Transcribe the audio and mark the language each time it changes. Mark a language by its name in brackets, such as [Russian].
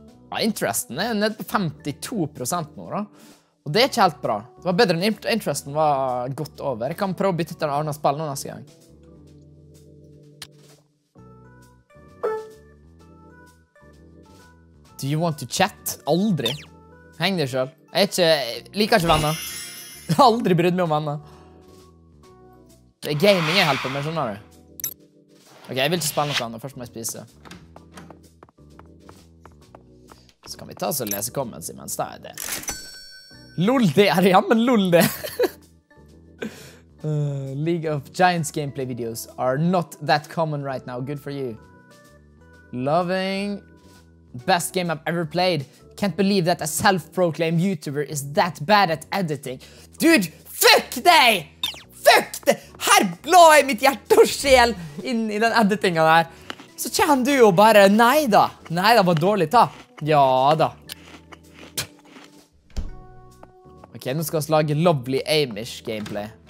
[Norwegian] Ja, interesten er ned på 52% nå, da. Og det er ikke helt bra. Det var bedre enn interesten var godt over. Jeg kan prøve å bytte til en annen spill nå neste gang. [English] Do you want to chat? [Norwegian] Aldri. Heng deg selv. Jeg liker ikke venner. Jeg har aldri brydd meg om venner. Det er gaming jeg helper med, skjønner du. Ok, jeg vil ikke spille noe annet. Først må jeg spise. Så kan vi ta oss og lese comments imens. Det er det. Lol, det er jammen lol, det. [English] League of Giants gameplay videos are not that common right now. Good for you. Loving. Best game I've ever played. Can't believe that a self-proclaimed YouTuber is that bad at editing. Dude, [Norwegian] fuck deg! Fuck deg! Her lå jeg mitt hjerte og sjel inn i den editingen der. Så kjenner du jo bare, nei da. Nei da, var dårlig da. Ja da. Ok, nå skal vi lage [English] lovely Amish gameplay.